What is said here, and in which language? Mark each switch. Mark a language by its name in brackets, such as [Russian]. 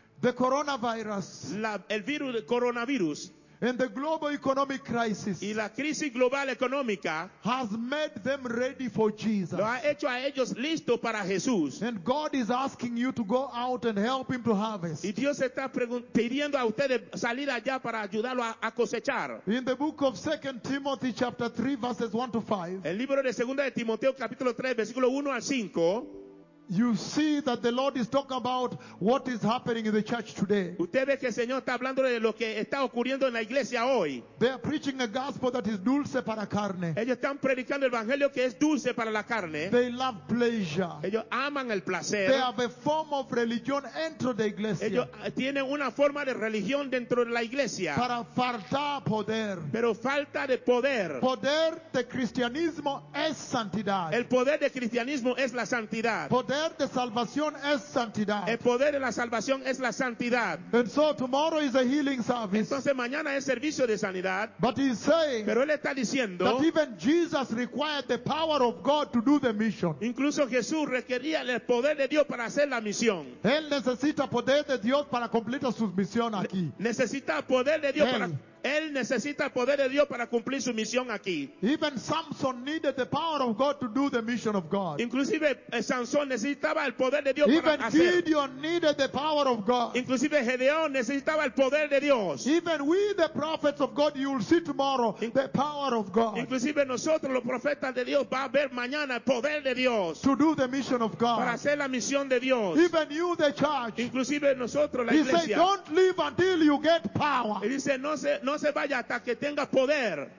[English] The coronavirus. [Spanish] El virus del coronavirus. [English] And the global economic crisis, [Spanish] y la crisis global económica, [English] has made them ready for Jesus. [Spanish] Lo ha hecho a ellos listo para Jesús. [English] And God is asking you to go out and help him to harvest. [Spanish] Y Dios está pidiendo a ustedes salir allá para ayudarlo a cosechar. [English] In the book of 2 Timothy chapter 3 verses 1 to 5. [Spanish] El libro de 2 de Timoteo capítulo 3 versículo 1 al 5. [English] You see that the Lord is talking about what is happening in the church today. [Spanish] Usted ve que el Señor está hablando de lo que está ocurriendo en la iglesia hoy. [English] They are preaching a gospel that is [Spanish] dulce para carne. Ellos están predicando el evangelio que es dulce para la carne. [English] They love pleasure. [Spanish] Ellos aman el placer. [English] They have a form of religion [Spanish] dentro de la iglesia. Ellos tienen una forma de religión dentro de la iglesia. Para faltar poder. Pero falta de poder. Poder de cristianismo es santidad. El poder de cristianismo es la santidad. Poder poder de salvación es santidad. El poder de la salvación es la santidad. [English] And so tomorrow is a healing service. [Spanish] Entonces mañana es servicio de sanidad. [English] But he's saying, [Spanish] pero él está diciendo, [English] that even Jesus required the power of God to do the mission. [Spanish] Incluso Jesús requería el poder de Dios para hacer la misión. Él necesita poder de Dios para completar su misión aquí. Necesita poder de Dios para Él necesita el poder de Dios para cumplir su misión aquí. [English] Even Samson needed the power of God to do the mission of God. [Spanish] Inclusive Sansón necesitaba el poder de Dios [English] Even [Spanish] para hacer. [English] Even Gideon needed the power of God. [Spanish] Inclusive Gedeón necesitaba el poder de Dios. [English] Even we, the prophets of God, you will see tomorrow the power of God. [Spanish] Inclusive nosotros los profetas de Dios va a ver mañana el poder de Dios. [English] To do the mission of God. [Spanish] Para hacer la misión de Dios. [English] Even you, the church. [Spanish] Inclusive nosotros la [English] he [Spanish] iglesia. [English] He said, "Don't leave until you get power." [Spanish] Él dice no se vaya hasta que tenga poder,